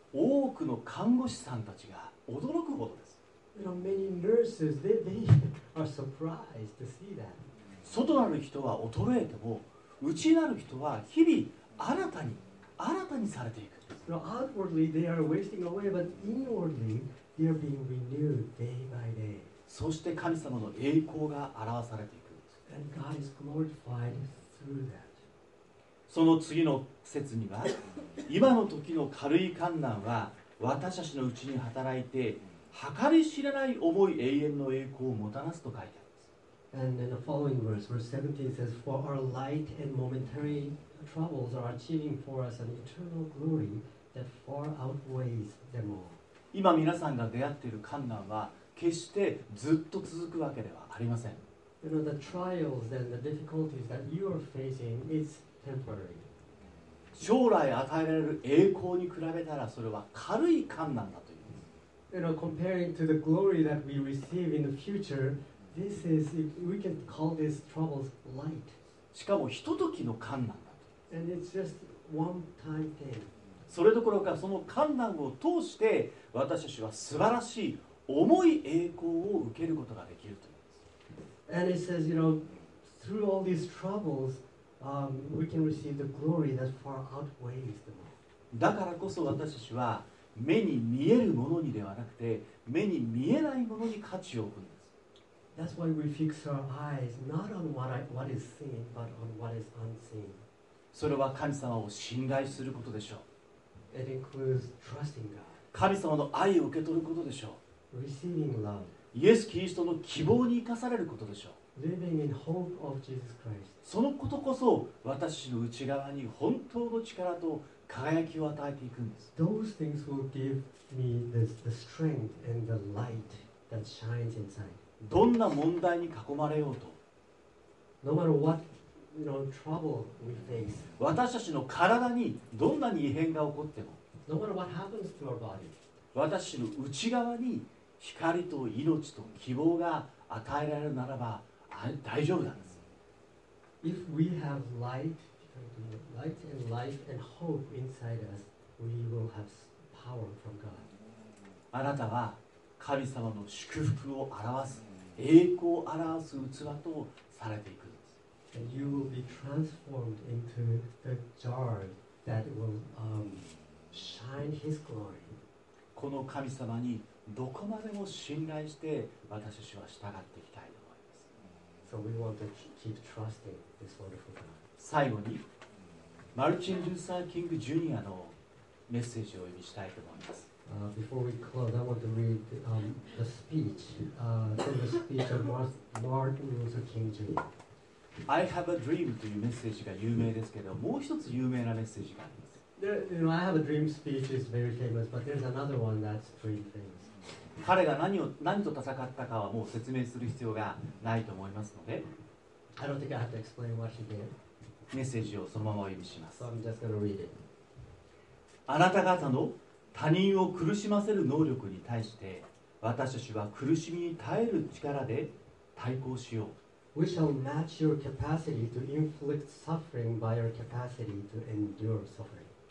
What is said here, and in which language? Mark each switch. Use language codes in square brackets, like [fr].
[ja] 多くの看護師さんたちが驚くほどです。 [en] You know, many nurses they are surprised to see that. [ja] 外なる人は衰えても、内なる人は日々新たに新たにされていく。 [en] So outwardly they are wasting away, but inwardly they are being renewed day by day. [ja] そして神様の栄光が表されていく。 [en] And God is glorified through that. [ja] その次の節には、今の時の軽い患難は私たちのうちに働いて計り知れない重い永遠の栄光をもたらすと書いてあります。 [en] And in the following verse, verse 17 says, "For our light and momentary troubles are achieving for us an eternal glory that far outweighs them all." [ja] 今皆さんが出会っている患難は決してずっと続くわけではありません。 [en] You know, the trials and the difficulties that you are facing is temporary. [ja] 将来与えられる栄光に比べたらそれは軽い患難だと言います。 [en] You know, comparing to the glory that we receive in the future, this is, we can call this troubles light. [ja] しかもひとときの患難だと。 [en] And it's just one time thing. [ja] それどころかその患難を通して私たちは素晴らしい重い栄光を受けることができると言います。 [en] And it says, you know, through all these troubles, we can receive the glory that far outweighs them all. [ja] だからこそ私たちは目に見えるものにではなくて目に見えないものに価値を置くんです。 [en] That's why we fix our eyes not on what is seen, but on what is unseen. [ja] それは神様を信頼することでしょう。 [en] It includes trusting God. [ja] 神様の愛を受け取ることでしょう。 [en] Receiving love. [ja] イエス・キリストの希望に生かされることでしょう。 [en] Living in hope of Jesus Christ. [ja] そのことこそ私の内側に本当の力と輝きを与えていくんです。 [en] Those things will give me the strength and the light that shines inside. [ja] どんな問題に囲まれようと。 [en] No matter what, you know, trouble we face. [ja] 私たちの体にどんなに異変が起こっても。 [en] No matter what happens to our body. [ja] 私の内側に光と命と希望が与えられるならば大丈夫なんです。 [en] If we have light, light and life and hope inside us, we will have power from God. [ja] あなたは神様の祝福を表す、栄光を表す器とされていくんです。 [en] And you will be transformed into the jar that will shine His glory. [ja] この神様にどこまでも信頼して私たちは従っていきたいと思います。 [en] So we want to keep trusting this wonderful God. [ja] 最後にマルチン・ルーサー・キング・ジュニアのメッセージを読みしたいと思います。 [en] Before we close, I want to read the speech, the speech of Martin Luther King Jr. [ja] I have a dream というメッセージが有名ですけど、もう一つ有名なメッセージがあります。 [en] I have a dream speech is very famous, but there's another one that's pretty famous. [ja] 彼が何と戦ったかはもう説明する必要がないと思いますので、 [en] I don't think I have to explain what he did. [ja] メッセージをそのままお読みします。 [en] So I'm just gonna read it. [ja] あなた方の他人を苦しませる能力に対して、私たちは苦しみに耐える力で対抗しよう。 [en] We shall match your capacity to inflict suffering by your capacity to endure suffering.